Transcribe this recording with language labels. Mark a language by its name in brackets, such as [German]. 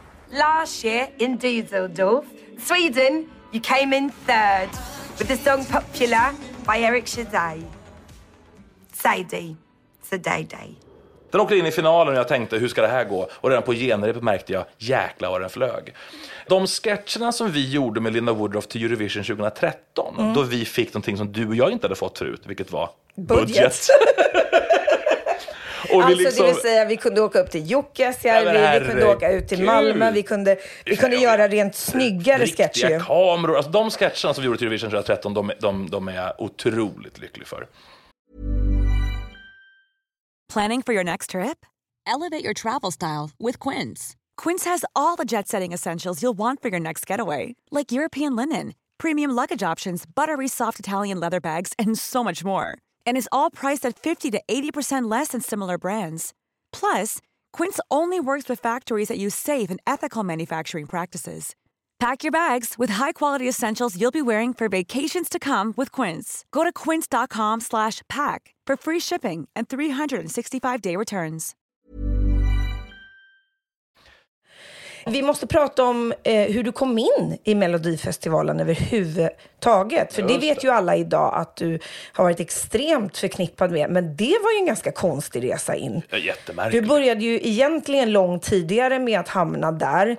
[English] Last year in Düsseldorf, Sweden, you came in third with the song Popular by Eric Shaday. Sadie. [Swedish] Den åkte in i finalen och jag tänkte, hur ska det här gå? Och redan på genrepet märkte jag, jäkla vad den flög. De sketcherna som vi gjorde med Linda Woodruff till Eurovision 2013, då vi fick någonting som du och jag inte hade fått förut, vilket var budget. Och vi alltså liksom, det vill säga, vi kunde åka upp till Jukkasjärvi, vi kunde åka ut till Malmö, vi kunde göra rent snyggare sketcher. Riktiga kameror, alltså de sketcherna som vi gjorde till Eurovision 2013, de är jag otroligt lycklig för. [English] Planning for your next trip? Elevate your travel style with Quince. Quince has all the jet-setting essentials you'll want for your next getaway, like European linen, premium luggage options, buttery soft Italian leather bags, and so much more. And it's all priced at 50 to 80% less than similar brands. Plus, Quince only works with factories that use safe and ethical manufacturing practices. Pack your bags with high-quality essentials you'll be wearing for vacations to come with Quince. Go to quince.com/pack. For free shipping and 365-day returns. [Swedish] Vi måste prata om hur du kom in i Melodifestivalen överhuvudtaget. För det vet ju alla idag att du har varit extremt förknippad med. Men det var ju en ganska konstig resa in. Ja, jättemärkligt. Du började ju egentligen långt tidigare med att hamna där.